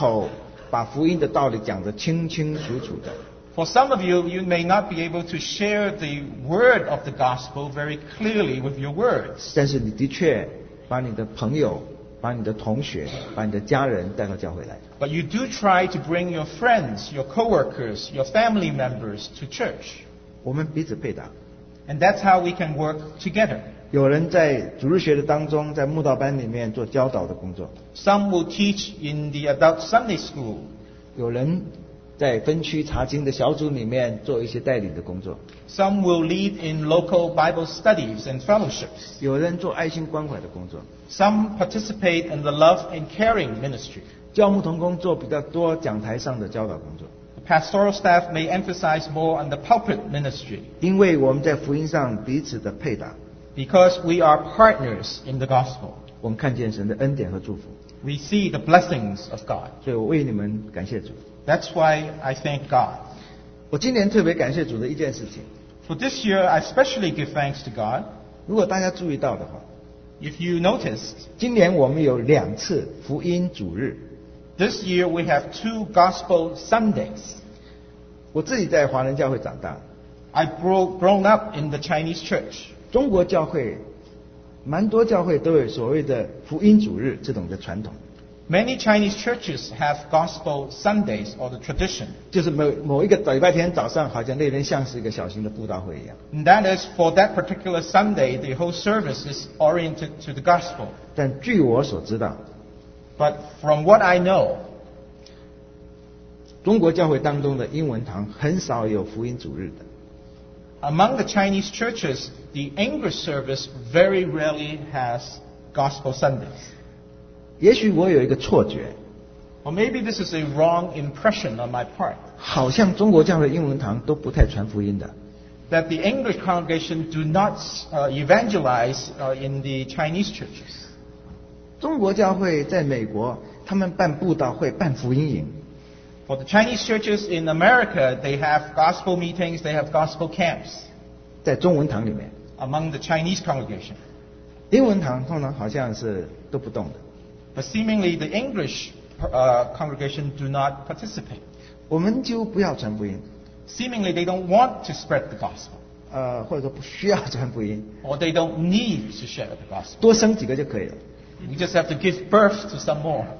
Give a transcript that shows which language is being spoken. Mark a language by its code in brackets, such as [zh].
[zh] 也许有些人并不一定用你的口把福音的道理讲得清清楚楚的。 [en] For some of you, you may not be able to share the word of the gospel very clearly with your words. [zh] 但是你的确把你的朋友、把你的同学、把你的家人带到教会来。 [en] But you do try to bring your friends, your co-workers, your family members to church. [zh] 我们彼此配搭。 [en] And that's how we can work together. [zh] 有人在主日学的当中, 在牧道班里面做教导的工作。 [en] Some will teach in the adult Sunday school. [zh] 有人在分区查经的小组里面做一些带领的工作。 [en] Some will lead in local Bible studies and fellowships. [zh] 有人做爱心关怀的工作。 [en] Some participate in the love and caring ministry. [zh] 教牧同工做比较多讲台上的教导工作。 [en] The pastoral staff may emphasize more on the pulpit ministry. [zh] 因为我们在福音上彼此的配搭。 [en] Because we are partners in the gospel. [zh] 我们看见神的恩典和祝福。 [en] We see the blessings of God. [zh] 所以我为你们感谢主。 [en] That's why I thank God. [zh] 我今年特别感谢主的一件事情。 [en] For this year, I especially give thanks to God. [zh] 如果大家注意到的话， [en] If you noticed, [zh] 今年我们有两次福音主日。 [en] This year we have two gospel Sundays. [zh] 我自己在华人教会长大。 [en] I've grown up in the Chinese church. [zh] 中国教会，蛮多教会都有所谓的福音主日这种的传统。 [en] Many Chinese churches have Gospel Sundays or the tradition. [zh] 就是某一个礼拜天早上，好像那边像是一个小型的布道会一样。 [en] And that is for that particular Sunday, the whole service is oriented to the gospel. [zh] 但据我所知道 [en] ，But from what I know, [zh] 中国教会当中的英文堂很少有福音主日的。 [en] Among the Chinese churches, the English service very rarely has Gospel Sundays. [zh] 也许我有一个错觉。 [en] Or maybe this is a wrong impression on my part. [zh] 好像中国教会英文堂都不太传福音的。 [en] That the English congregation do not evangelize in the Chinese churches. [zh] 中国教会在美国，他们办布道会，办福音营。 [en] For the Chinese churches in America, they have gospel meetings, they have gospel camps. [zh] 在中文堂里面。 [en] Among the Chinese congregation. [zh] 英文堂通常好像是都不动的。 [en] But seemingly the English congregation do not participate. [zh] 我们就不要传福音。 [en] Seemingly they don't want to spread the gospel. [zh] 或者说不需要传福音。 [en] Or they don't need to share the gospel. [zh] 多生几个就可以了。 [en] You just have to give birth to some more.